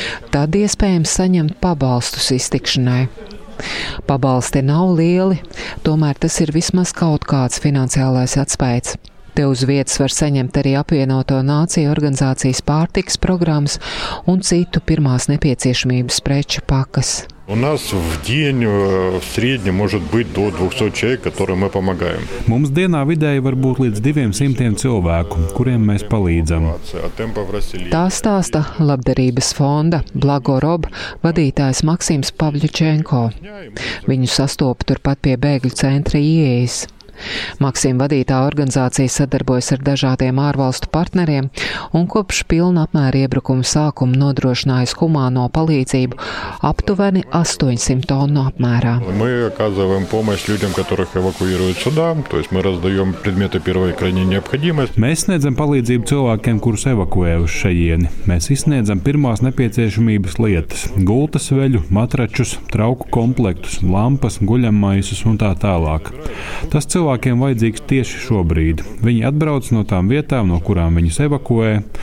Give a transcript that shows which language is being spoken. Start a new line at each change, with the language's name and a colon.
Latvian: Tad iespējams saņemt pabalstus iztikšanai. Pabalsti nav lieli, tomēr tas ir vismaz kaut kāds finansiālais atspēks. Te uz vietas var saņemt arī apvienoto nāciju organizācijas pārtikas programmas un citu pirmās nepieciešamības preču pakas.
Russian: У нас в день в среднем может быть до 200 человек, которым мы помогаем.
Latvian: Mums dienā vidēji var būt līdz 200 cilvēku, kuriem mēs palīdzam. Tā stāsta labdarības fonda Blagorob vadītājs Maksims Pavļučenko. Viņu sastopa turpat pie bēgļu centra ieejas. Maksim vadītā organizācija sadarbojas ar dažādiem ārvalstu partneriem un kopš pilna apmēra iebrukuma sākuma nodrošinājas humāno palīdzību aptuveni 800 tonu apmērā.
Russian: Мы оказываем помощь людям, которых эвакуируют сюда, то есть мы раздаём предметы первой крайней необходимости.
Latvian: Mēs sniedzam palīdzību cilvēkiem, kurus evakuē uz šejieni. Mēs izsniedzam pirmās nepieciešamības lietas: gultas, veļu, matračus, trauku komplektus, lampas, guļamaisus un tā tālāk. Tas cilvēkiem vajadzīgs tieši šobrīd. Viņi atbrauc no tām vietām, no kurām viņus evakuē.